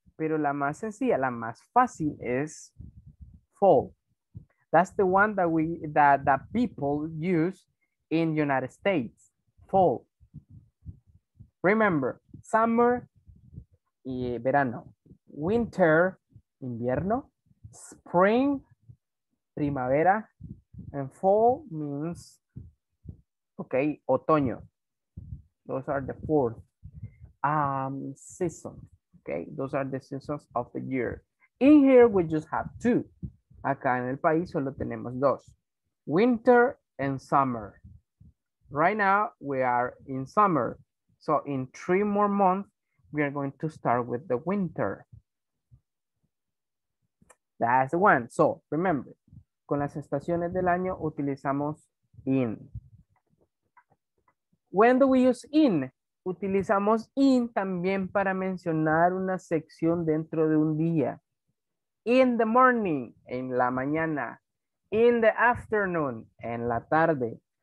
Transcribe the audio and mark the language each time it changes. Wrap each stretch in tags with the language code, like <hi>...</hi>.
<es>Pero la más sencilla, la más fácil es fall.</es> <en>That's the one that that people use in the United States. Fall. Remember, summer, verano, winter, invierno, spring, primavera, and fall means, okay, otoño. Those are the four seasons, okay? Those are the seasons of the year. In here, we just have two.</en> <es>Acá en el país solo tenemos dos.</es> <en>Winter and summer. Right now, we are in summer. So in three more months, we are going to start with the winter. That's the one.</en> <es>So remember, con las estaciones del año utilizamos in.</es> <en>When do we use in?</en> <es>Utilizamos in también para mencionar una sección dentro de un día.</es> <en>In the morning,</en> <es>en la mañana.</es> <en>In the afternoon,</en> <es>en la tarde.</es>